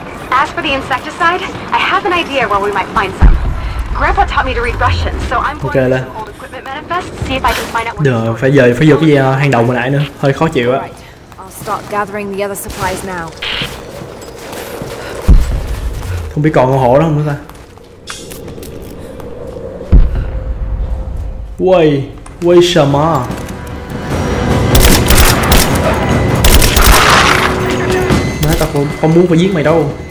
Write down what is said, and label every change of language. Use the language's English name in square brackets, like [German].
[English] As for the insecticide, I have an idea where we might find some. Grandpa taught me to read Russian, so I'm going to old equipment manifest, see if I can find out where. [Vietnamese] Rồi, phải giờ phải vô cái hang động hồi nãy nữa, hơi khó chịu á. [English] Start gathering the other supplies now. [Vietnamese] Không biết còn con hổ đó không nữa ta. [English] Wait, wait shama. [Vietnamese] Má tao không muốn phải giết mày đâu.